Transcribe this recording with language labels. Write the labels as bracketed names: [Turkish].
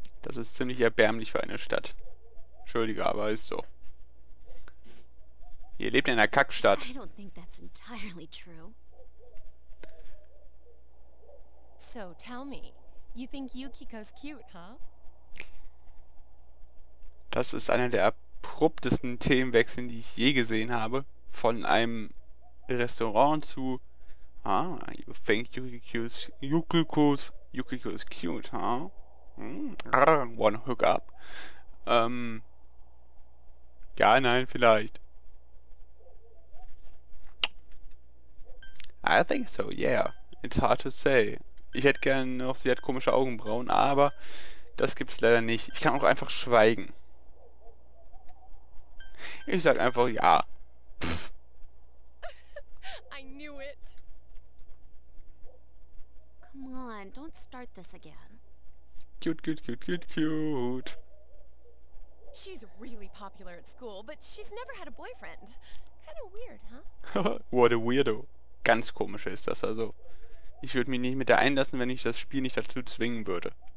[German] Das ist ziemlich erbärmlich für eine Stadt. Entschuldige, aber ist so. Ihr lebt in einer Kackstadt. [English] I don't think that's entirely true. So tell me, you think Yukiko's cute, huh? [German] Das ist einer der abruptesten Themenwechseln, die ich je gesehen habe. Von einem Restaurant zu... [English] Ah, you think Yukiko's cute, huh? One hook up. [German] Ja, nein, vielleicht. [English] I think so, yeah. It's hard to say. [German] Ich hätte gerne noch, sie hat komische Augenbrauen, aber das gibt's leider nicht. Ich kann auch einfach schweigen. Ich sag einfach ja. [English] Pff. I knew it. Come on, don't start this again. Cute, cute, cute, cute, cute. She's really popular at school, but she's never had a boyfriend. Kind of weird, huh? What a weirdo. [German] ganz komisch ist das. Also, ich würde mich nicht mit der einlassen, wenn ich das Spiel nicht dazu zwingen würde.